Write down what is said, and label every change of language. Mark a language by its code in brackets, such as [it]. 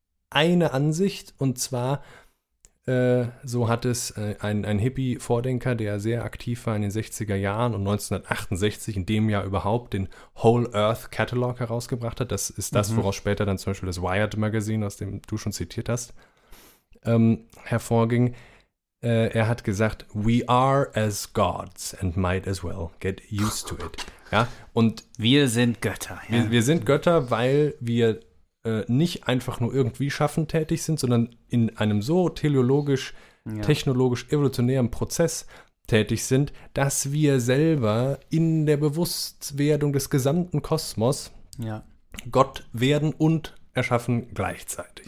[de] eine Ansicht, und zwar, so hat es ein Hippie-Vordenker, der sehr aktiv war in den 60er Jahren und 1968 in dem Jahr überhaupt den Whole Earth Catalog herausgebracht hat. Das ist das, woraus später dann zum Beispiel das Wired Magazine, aus dem du schon zitiert hast, hervorging. Er hat gesagt, [en] we are as gods and might as well get used to it. [de] Ja? Und wir sind Götter. Ja. Wir sind Götter, weil wir nicht einfach nur irgendwie schaffend tätig sind, sondern in einem so teleologisch, technologisch, evolutionären Prozess tätig sind, dass wir selber in der Bewusstwerdung des gesamten Kosmos Gott werden und erschaffen gleichzeitig.